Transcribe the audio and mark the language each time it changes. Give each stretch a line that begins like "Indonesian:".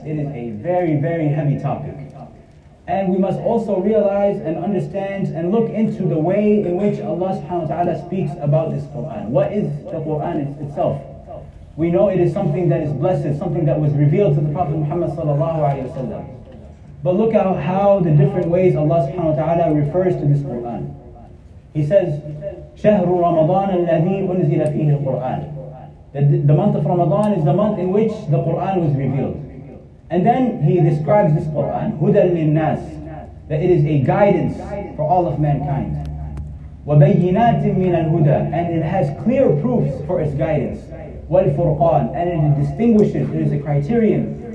English: It is a very, very heavy topic. And we must also realize and understand and look into the way in which Allah subhanahu wa ta'ala speaks about this Qur'an. What is the Qur'an itself? We know it is something that is blessed, something that was revealed to the Prophet Muhammad sallallahu alayhi wa sallam. But look at how the different ways Allah subhanahu wa ta'ala refers to this Qur'an. He says,
Arabic: شهر رمضان الذي أنزل فيه القرآن.
English: The month of Ramadan is the month in which the Qur'an was revealed. And then he describes this Qur'an,
Arabic: هدى للناس,
English: that it is a guidance for all of mankind.
Arabic: وبينات من الهدى,
English: and it has clear proofs for its guidance. والفرقان, and it distinguishes, it is a criterion.